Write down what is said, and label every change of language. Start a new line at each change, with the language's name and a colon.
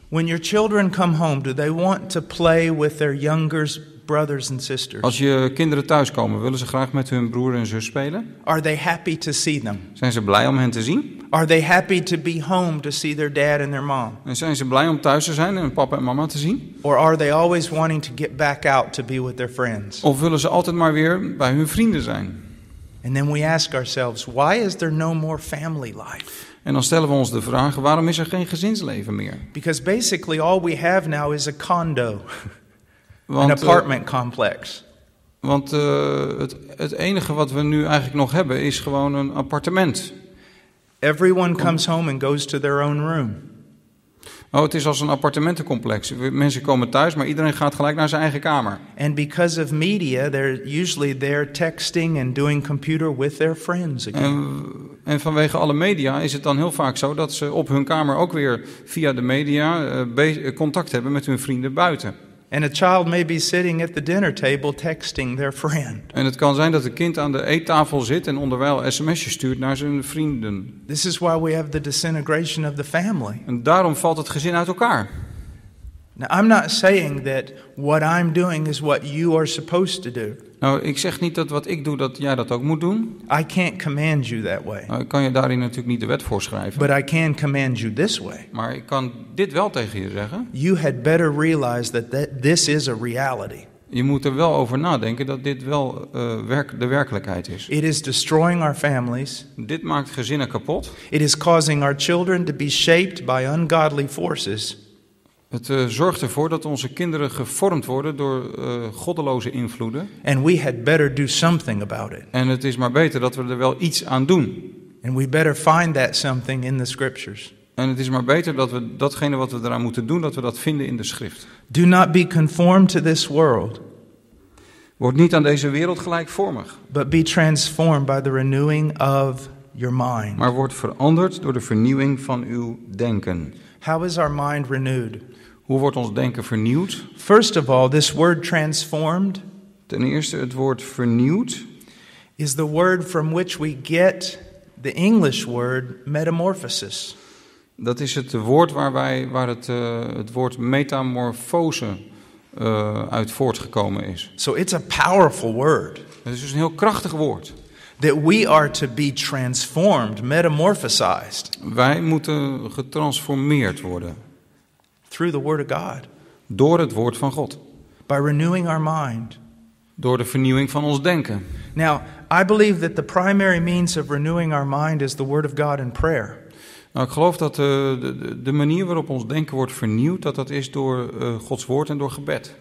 English: When your children come home, do they want to play with their younger brothers and sisters?
Dutch: Als je kinderen thuis komen, willen ze graag met hun broer en zus spelen?
English: Are they happy to see them?
Dutch: Zijn ze blij om hen te zien?
English: Are they happy to be home to see their dad and their mom?
Dutch: En zijn ze blij om thuis te zijn en papa en mama te zien?
English: Or are they always wanting to get back out to be with their friends?
Dutch: Of willen ze altijd maar weer bij hun vrienden zijn?
English: And then we ask ourselves, why is there no more family life?
Dutch: En dan stellen we ons de vraag, waarom is er geen gezinsleven meer?
English: Because basically all we have now is a condo.
Dutch: Een apartment complex. Want het enige wat we nu eigenlijk nog hebben is gewoon een appartement.
English: Everyone comes home and goes to their own room.
Dutch: Oh, het is als een appartementencomplex. Mensen komen thuis, maar iedereen gaat gelijk naar zijn eigen kamer.
English: And because of media, they're usually there texting and doing computer with their friends again.
Dutch: En vanwege alle media is het dan heel vaak zo dat ze op hun kamer ook weer via de media contact hebben met hun vrienden buiten.
English: And a child may be sitting at the dinner table texting their friend.
Dutch: En het kan zijn dat een kind aan de eettafel zit en onderwijl sms'jes stuurt naar zijn vrienden.
English: This is why we have the disintegration of the family.
Dutch: En daarom valt het gezin uit elkaar.
English: Now, I'm not saying that what I'm doing is what you are supposed to do.
Dutch: Nou, ik zeg niet dat wat ik doe dat jij dat ook moet doen.
English: I can't command you that way.
Dutch: Nou, ik kan je daarin natuurlijk niet de wet voorschrijven.
English: But I can command you this way.
Dutch: Maar ik kan dit wel tegen je zeggen.
English: You had better realize that this is a reality.
Dutch: Je moet er wel over nadenken dat dit wel de werkelijkheid is.
English: It is destroying our families.
Dutch: Dit maakt gezinnen kapot.
English: It is causing our children to be shaped by ungodly forces.
Dutch: Het zorgt ervoor dat onze kinderen gevormd worden door goddeloze invloeden.
English: And we had better do something about it.
Dutch: En het is maar beter dat we er wel iets aan doen.
English: And we better find that something in the scriptures.
Dutch: En het is maar beter dat we datgene wat we eraan moeten doen, dat we dat vinden in de schrift.
English: Do not be conformed to this world.
Dutch: Word niet aan deze wereld gelijkvormig.
English: But be transformed by the renewing of your mind.
Dutch: Maar word veranderd door de vernieuwing van uw denken.
English: How is our mind renewed?
Dutch: Hoe wordt ons denken vernieuwd?
English: First of all, this word transformed.
Dutch: Ten eerste, het woord vernieuwd.
English: Is the word from which we get the English word metamorphosis.
Dutch: Dat is het woord waar het woord metamorfose uit voortgekomen is.
English: So it's a powerful word.
Dutch: Het is dus een heel krachtig woord.
English: That we are to be transformed, metamorphosized.
Dutch: Wij moeten getransformeerd worden.
English: Through the word of God.
Dutch: Door het woord van God.
English: By renewing our mind.
Dutch: Door de vernieuwing van ons denken.
English: Now, I believe that the primary means of renewing our mind is the word of God in prayer.
Dutch: Nou, ik geloof dat de manier waarop ons denken wordt vernieuwd, dat is door Gods woord en door gebed.